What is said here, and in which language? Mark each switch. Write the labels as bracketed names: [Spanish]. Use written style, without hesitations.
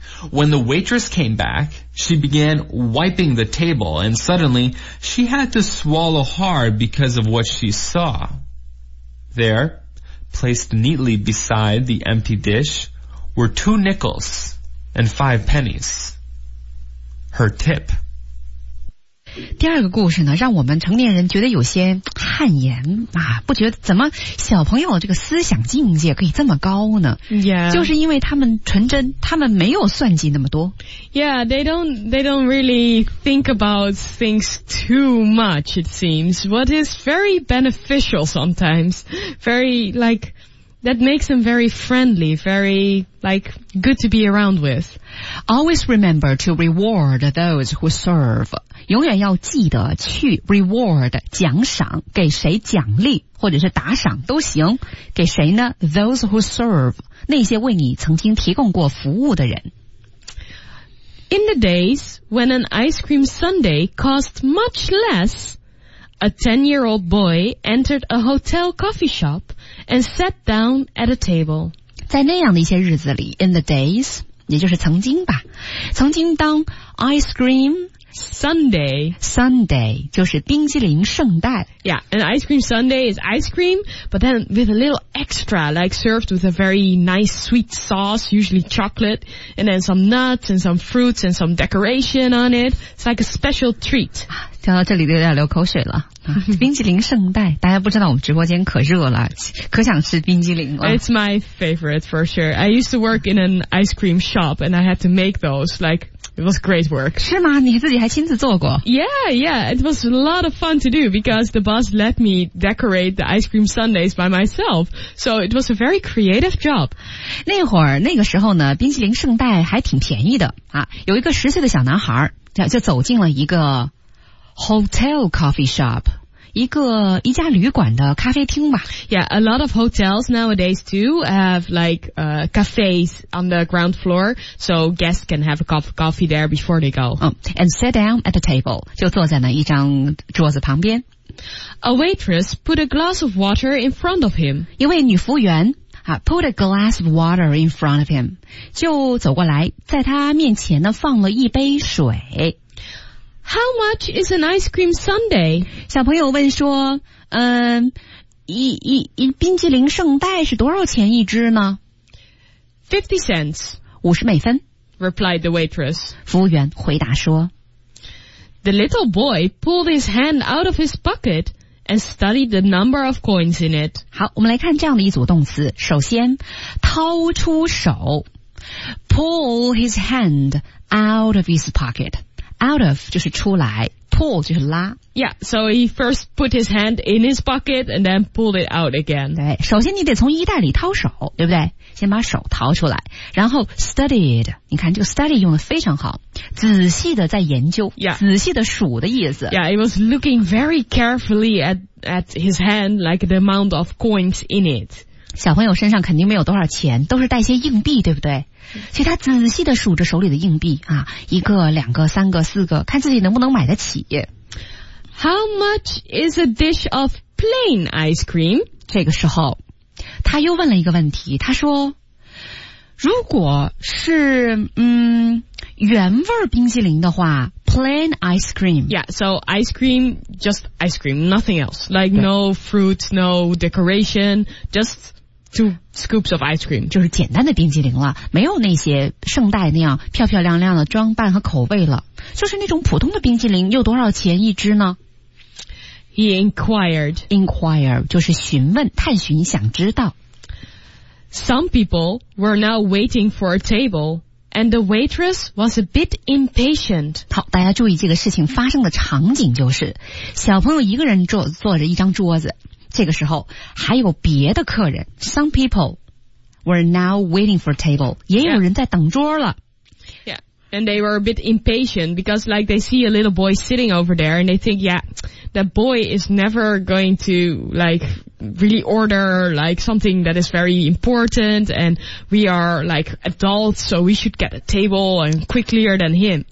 [English] When the waitress came back, she began wiping the table, and suddenly she had to swallow hard because of what she saw. There... Placed neatly beside the empty dish were 2 nickels and 5 pennies. Her tip. [Chinese] 第二个故事呢，让我们成年人觉得有些汗颜啊，不觉得怎么小朋友这个思想境界可以这么高呢？ [English] Yeah. [Chinese] 就是因为他们纯真，他们没有算计那么多。 [English] Yeah, they don't really think about things too much, it seems. What is very beneficial sometimes, very like... That makes them very friendly, very, like, good to be around with. Always remember to reward those who serve. [Chinese] 永远要记得去 reward, 奖赏，给谁奖励，或者是打赏都行。给谁呢？ [English] Those who serve, [Chinese] 那些为你曾经提供过服务的人。 [English] In the days when an ice cream sundae cost much less... A 10-year-old boy entered a hotel coffee shop and sat down at a table. [Chinese] 在那样的一些日子里 , [English] in the days, [Chinese] 也就是曾经吧。曾经当 ice cream [English] sundae, [Chinese] sundae 就是冰激凌圣代。 [English] Yeah, an ice cream sundae is ice cream, but then with a little extra, like served with a very nice sweet sauce, usually chocolate, and then some nuts and some fruits and some decoration on it. It's like a special treat. [Chinese] 听到这里都有点流口水了、啊、冰淇淋圣代大家不知道我们直播间可热了可想吃冰淇淋了 [English] It's my favorite for sure I used to work in an ice cream shop and I had to make those like it was great work [Chinese] 是吗你自己还亲自做过 [English] Yeah it was a lot of fun to do because the boss let me decorate the ice cream sundaes by myself so it was a very creative job [Chinese] 那会儿那个时候呢冰淇淋圣代还挺便宜的啊，有一个10岁的小男孩 就走进了一个 [English] Hotel coffee shop, [Chinese] 一家旅馆的咖啡厅吧。 [English] Yeah, a lot of hotels nowadays too have like, cafes on the ground floor, so guests can have a cup of coffee there before they go.、 And sit down at the table, [Chinese] 就坐在那一张桌子旁边。 [English] A waitress put a glass of water in front of him. [Chinese] 一位女服务员、 [English] put a glass of water in front of him, [Chinese] 就走过来在他面前呢放了一杯水。 [English] How much is an ice cream sundae? [Chinese] 小朋友问说，冰激凌圣代是多少钱一只呢？ [English] 50 cents. [Chinese] 50美分。 [English] Replied the waitress. [Chinese] 服务员回答说。 [English] The little boy pulled his hand out of his pocket and studied the number of coins in it. [Chinese] 好，我们来看这样的一组动词。首先，掏出手。 [English] Pull his hand out of his pocket. [Chinese] Out of 就是出来 ,pull 就是拉。 [English] Yeah, so he first put his hand in his pocket and then pulled it out again. [Chinese] 对首先你得从衣袋里掏手对不对先把手掏出来。然后 studied, 你看这个 study 用得非常好仔细的在研究、 [English] yeah. [Chinese] 仔细的数的意思。 [English] Yeah, he was looking very carefully at his hand, like the amount of coins in it. [Chinese] 小朋友身上肯定没有多少钱都是带些硬币对不对所以他仔细地数着手里的硬币啊，一个两个三个四个看自己能不能买得起 [English] How much is a dish of plain ice cream? [Chinese] 这个时候他又问了一个问题他说如果是原味冰淇淋的话 [English] plain ice cream. Yeah, so ice cream, just ice cream, nothing else. Like no fruit, no decoration, just two scoops of ice cream. [Chinese] 就是简单的冰淇淋了，没有那些圣代那样漂漂亮亮的装扮和口味了。就是那种普通的冰淇淋，又多少钱一支呢？ [English] He inquired. [Chinese] Inquire 就是询问、探寻、想知道。 [English] Some people were now waiting for a table, and the waitress was a bit impatient. [Chinese] 好，大家注意这个事情发生的场景就是，小朋友一个人坐着一张桌子，这个时候还有别的客人。 [English] Some people were now waiting for a table. [Chinese] 也有人在等桌了。 [English] Yeah. And they were a bit impatient because like they see a little boy sitting over there and they think, yeah, that boy is never going to like really order like something that is very important and we are like adults so we should get a table and quicklier than him.